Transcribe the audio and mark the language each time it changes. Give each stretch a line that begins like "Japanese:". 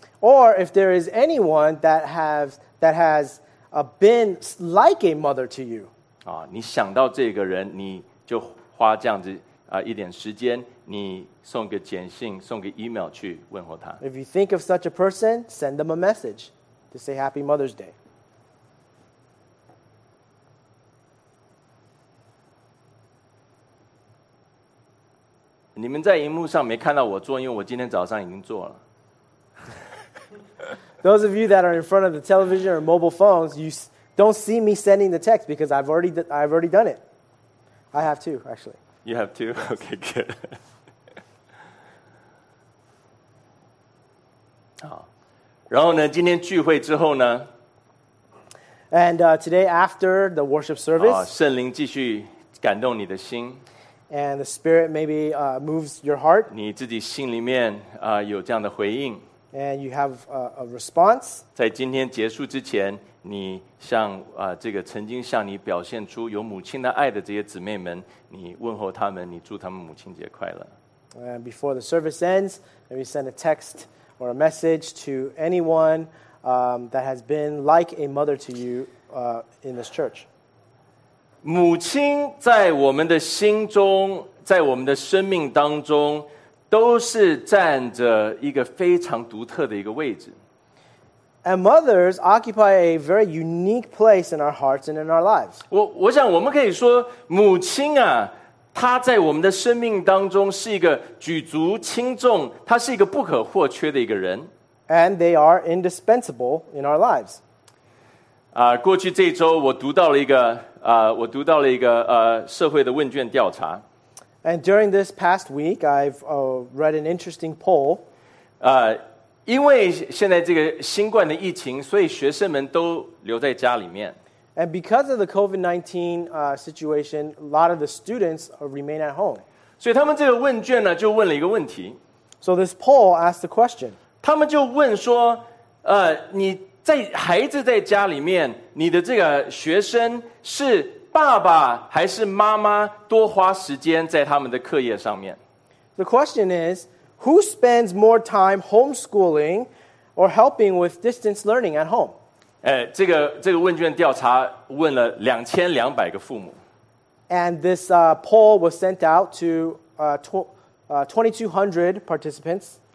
English: ？Or if there is anyone that has been like a mother to you？
Chinese: 你想到这个人，你就花这样子一点时间，你送个简讯，送个 email 去问候他。
English: If you think of such a person, send them a message to say Happy Mother's Day.
Chinese: 你们在荧幕上没看到我做，因为我今天早上已经做了。
English: Those of you that are in front of the television or mobile phones, you don't see me sending the text because I've already done it. I have too, actually. You have too? Okay, good.
Chinese: 好，然后呢？今天聚会之后呢
English: ？And today after the worship service,
Chinese: 圣灵继续感动你的心。
English: And the Spirit maybe moves your heart.
Chinese: 你自己心里面有这样的回应。
English: And you have a response.
Chinese: 在今天结束之前，你向这个曾经向你表现出有母亲的爱的这些姊妹们，你问候他们，你祝他们母亲节快乐。
English: And before the service ends, maybe send a text or a message to anyone that has been like a mother to you in this church.
Chinese: 母亲在我们的心中，在我们的生命当中，都是占着一个非常独特的一个位置。
English: And mothers occupy a very unique place in our hearts and in our lives.
Chinese: 我想我们可以说，母亲啊，她在我们的生命当中是一个举足轻重，她是一个不可或缺的一个人。
English: And they are indispensable in our lives.
Chinese: 过去这一周我读到了一个。我读到了一个社会的问卷调查。
English: And during this past week, I've read an interesting poll.
Chinese: 因为现在这个新冠的疫情，所以学生们都留在家里面。
English: And because of the COVID-19 situation, a lot of the students remain at home.
Chinese: 所以他们这个问卷呢，就问了一个问题。
English: So this poll asked the question.
Chinese: 他们就问说，你在孩子在家里面，你的这个学生是爸爸还是妈妈多花时间在他们的课业上面？
English: The question is, who spends more time homeschooling or helping with distance learning at home?
Chinese: 这个问卷调查问了2200个父母。
English: And this poll was sent out to 2,200 participants.